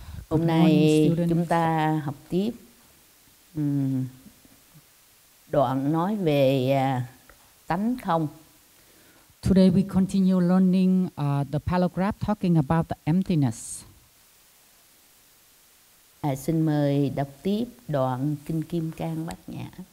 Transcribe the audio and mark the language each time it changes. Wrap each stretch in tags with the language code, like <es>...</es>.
<vi>Hôm nay chúng ta học tiếp đoạn nói về tánh không.</vi> <en>Today we continue learning the paragraph talking about the emptiness.</en> <vi>Xin mời đọc tiếp đoạn Kinh Kim Cang Bát Nhã.</vi>